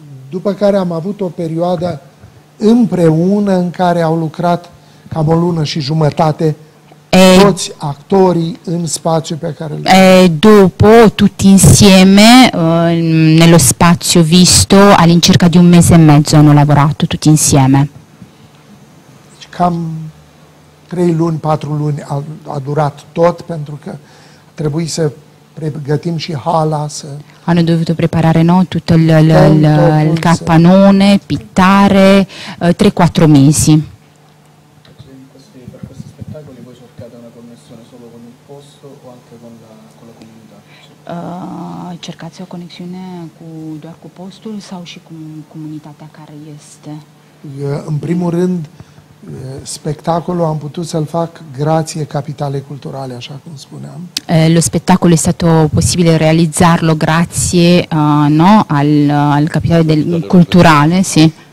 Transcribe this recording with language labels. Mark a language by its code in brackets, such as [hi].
[ro] După care am avut o perioadă împreună în care au lucrat cam o lună și jumătate toți actorii în spațiu pe care le. [it] Dopo tutti insieme nello spazio visto all'incirca di un mese e mezzo hanno lavorato tutti insieme. [ro] Cam 3 luni, 4 luni a durat tot pentru că trebuie să pregătim și hala. Să [it] hanno dovuto preparare, no, tutto il capannone, pittare, 3-4 mesi. Per questi spettacoli voi cercate una connessione solo con il posto o anche con la comunità? [ro] Cercați o conexiune doar cu postul sau și cu comunitatea care este? În primul rând, spettacolo am putut să-l fac [it] grazie capitale culturale, [ro] așa cum spuneam. [it] Lo spettacolo è stato possibile realizzarlo grazie no, al capitale culturale, sì.